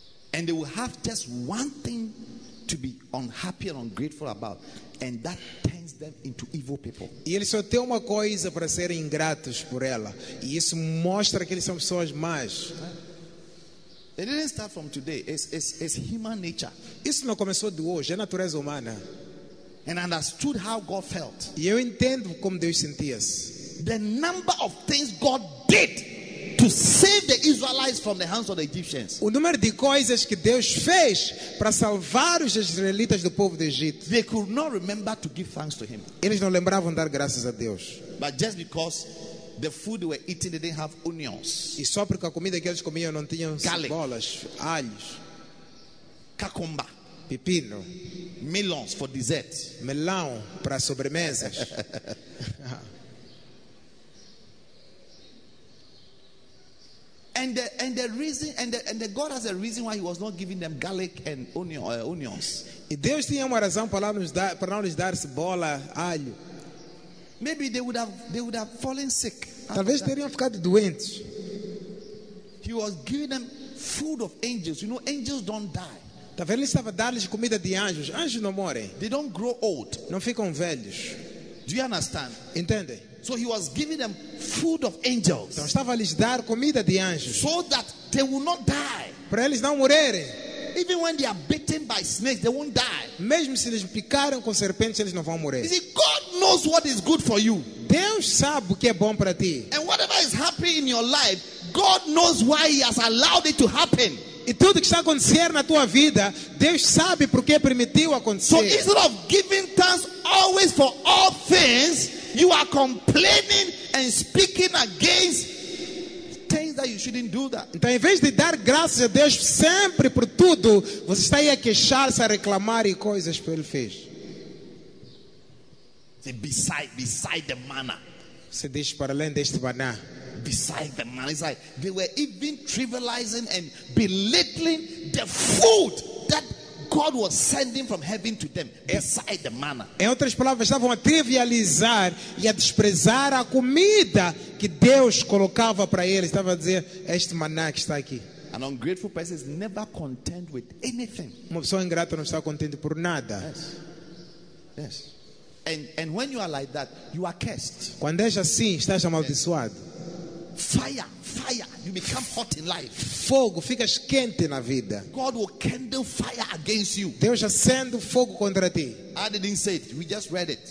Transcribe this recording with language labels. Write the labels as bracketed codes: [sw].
[en] And they will have just one thing to be unhappy and ungrateful about, and that turns them into evil people. [pt] E eles só têm uma coisa para serem ingratos por ela, e isso mostra que eles são pessoas más. [en] It didn't start from today. It's human nature. [pt] Isso não começou de hoje, é natureza humana. [en] And understood how God felt. [pt] E eu entendo como Deus sentia. [en] The number of things God did to save the Israelites from the hands of the Egyptians. [pt] O número de coisas que Deus fez para salvar os israelitas do povo do Egito. [en] They could not remember to give thanks to him. [pt] Eles não lembravam dar graças a Deus. [en] But just because the food they were eating, they didn't have onions. [pt] E só porque a comida que eles comiam não tinha cebolas, alhos, [en] cucumber, [pt] pepino, [en] melons for dessert, [pt] melão para sobremesas. [en] And the God has a reason why he was not giving them garlic and onions. [pt] E Deus tinha uma razão para não lhes dar cebola, alho. [en] Maybe they would have fallen sick. [pt] Talvez teriam ficado doentes. [en] He was giving them food of angels. You know, angels don't die. [pt] Talvez ele estava dando-lhes comida de anjos. Anjos não morrem. [en] They don't grow old. [pt] Não ficam velhos. [en] Do you understand? [pt] Entende? [en] So he was giving them food of angels. [pt] Então estava lhes dar comida de anjos. [en] So that they will not die. [pt] Para eles não morrerem. [en] Even when they are bitten by snakes, they won't die. [pt] Mesmo se eles picarem com serpentes, eles não vão morrer. [en] You see, God knows what is good for you. [pt] Deus sabe o que é bom para ti. [en] And whatever is happening in your life, God knows why he has allowed it to happen. [pt] E tudo que está acontecendo na tua vida, Deus sabe porque permitiu acontecer. [en] So instead of giving thanks always for all things, you are complaining and speaking against things that you shouldn't do that. [pt] Então, em vez de dar graças a Deus sempre por tudo, você está aí a queixar-se, a reclamar e coisas que ele fez. [en] Beside the manna. [pt] Você diz para além deste maná. [en] Beside the manna. It's like they were even trivializing and belittling the food that God was sending from heaven to them, beside the manna. [pt] Em outras palavras, estavam a trivializar e a desprezar a comida que Deus colocava para eles. Estava a dizer, este maná que está aqui. [en] An ungrateful person is never content with anything. [pt] Uma pessoa ingrata não está contente por nada. [en] Yes. Yes. And when you are like that, you are cursed. [pt] Quando és assim, estás amaldiçoado. [en] Fire, you become hot in life. [pt] Fogo, ficas quente na vida. [en] God will kindle fire against you. [pt] Deus acende fogo contra ti. [en] I didn't say it. We just read it.